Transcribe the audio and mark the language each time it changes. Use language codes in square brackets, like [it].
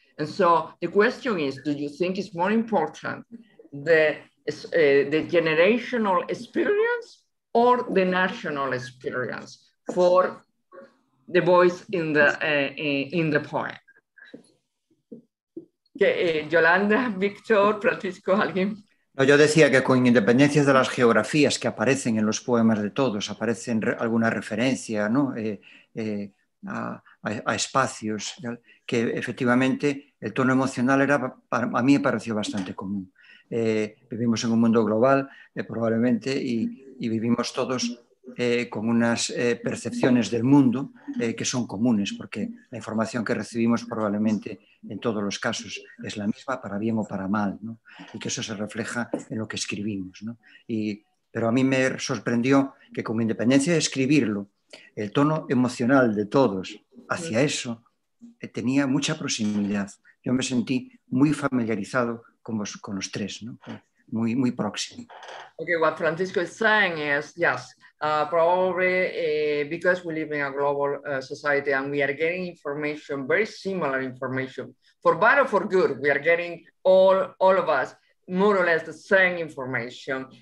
[en] And so the question is, do you think it's more important the generational experience or the national experience for the voice in the poem? [es] Yolanda, Víctor, Francisco, alguien. No, yo decía que con independencia de las geografías que aparecen en los poemas de todos, aparecen alguna referencia, ¿no? A espacios, ¿ya? Que efectivamente el tono emocional era, a mí me pareció bastante común. Vivimos en un mundo global, probablemente, y vivimos todos con unas percepciones del mundo que son comunes, porque la información que recibimos probablemente en todos los casos es la misma, para bien o para mal, ¿no? Y que eso se refleja en lo que escribimos, ¿no? Pero a mí me sorprendió que, con independencia de escribirlo, el tono emocional de todos hacia eso tenía mucha proximidad. Yo me sentí muy familiarizado con los tres, ¿no? Muy, muy próximo. [en] Okay, what Francisco is saying is, yes, probably because we live in a global society and we are getting information, very similar information, for bad or for good, we are getting all of us more or less the same information.